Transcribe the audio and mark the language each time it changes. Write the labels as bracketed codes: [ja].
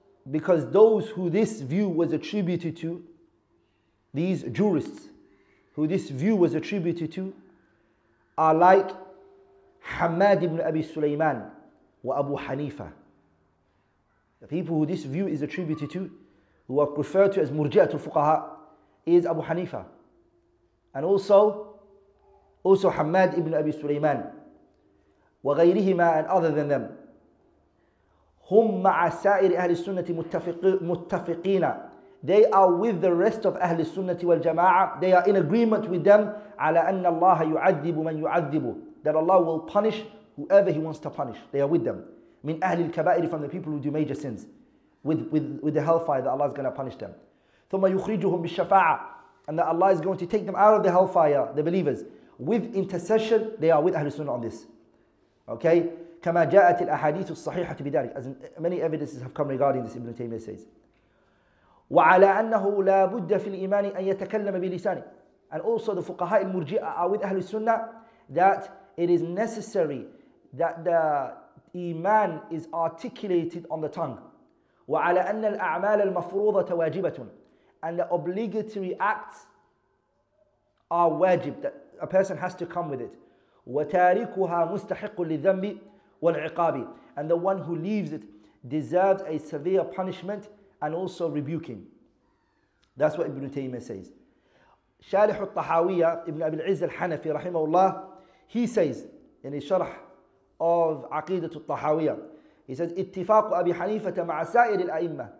[en] Because those who this view was attributed to, these jurists who this view was attributed to, are like Hamad ibn Abi Sulaiman wa Abu Hanifa. The people who this view is attributed to, who are referred to as murji'atul fuqaha, is Abu Hanifa. And also Hamad ibn Abi Sulaiman, [ar] وغيرهما, [en] and other than them. [ar] هم مع سائر أهل السنة متفقين. [en] They are with the rest of [ar] أهل السنة والجماعة. [en] They are in agreement with them. [ar] على أن الله يعذب من يعذب. [en] That Allah will punish whoever He wants to punish. They are with them. [ar] من أهل الكبائر, [en] from the people who do major sins. With the hellfire that Allah is going to punish them. [ar] ثم يخرجهم بالشفاعة. [en] And that Allah is going to take them out of the hellfire, the believers. With intercession, they are with أهل السنة on this. [ar] Okay, كما جاءت الأحاديث الصحيحة بذلك. [en] As many evidences have come regarding this, Ibn Taymiyyah says. [ar] وعلى أنه لا بد في الإيمان أن يتكلم بلسانه. [en] And also the فقهاء المرجئة are with أهل السنة that it is necessary that the إيمان is articulated on the tongue. [ar] وعلى أن الأعمال المفروضة واجبة. [en] And the obligatory acts are wajib, that a person has to come with it. [ar] وتاركها مستحق للذنب والعقاب. [en] And the one who leaves it deserves a severe punishment and also rebuking. That's what Ibn Taymiyyah says. [ar] شارح الطحاوية ابن أبي العز الحنفي رحمه الله, [en] he says, in his [ar] شرح of عقيدة الطحاوية, [en] he says, [ar] اتفاق أبي حنيفة مع سائر الأئمة.